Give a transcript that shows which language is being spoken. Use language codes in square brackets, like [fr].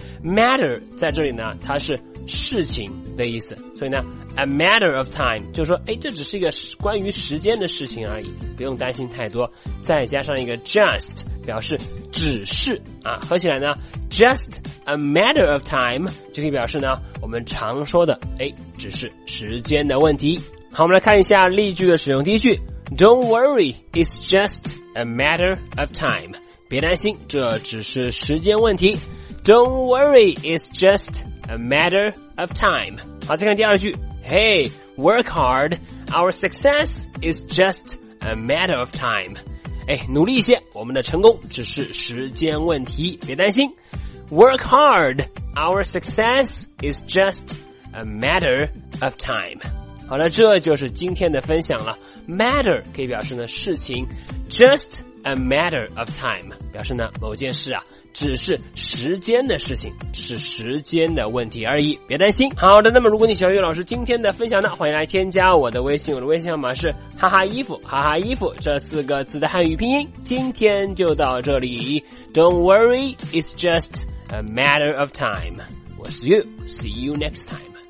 [zh] Matter 在这里呢，它是事情的意思，所以呢 a matter of time 就是说，哎，这只是一个关于时间的事情而已，不用担心太多。再加上一个 just 表示只是啊，合起来呢 just a matter of time 就可以表示呢我们常说的，哎，只是时间的问题。好，我们来看一下例句的使用。 [en] 第一句， Don't worry, it's just a matter of time. [zh] 别担心，这只是时间问题。 [en] Don't worry, it's justA matter of time. [zh] 好，再看第二句。 Hey, work hard. [en] Our success is just a matter of time. [zh] 哎，努力一些，我们的成功只是时间问题，别担心。 [en] Work hard. Our success is just a matter of time. [zh] 好了，这就是今天的分享了。Matter 可以表示呢事情。 Just a matter of time 表示呢某件事啊。只是时间的事情，只是时间的问题而已，别担心。好的，那么如果你喜欢岳老师今天的分享呢，欢迎来添加我的微信，我的微信号码是哈哈衣服，哈哈衣服这四个字的汉语拼音。 [en] 今天就到这里， Don't worry, it's just a matter of time. 我是 you, see you next time.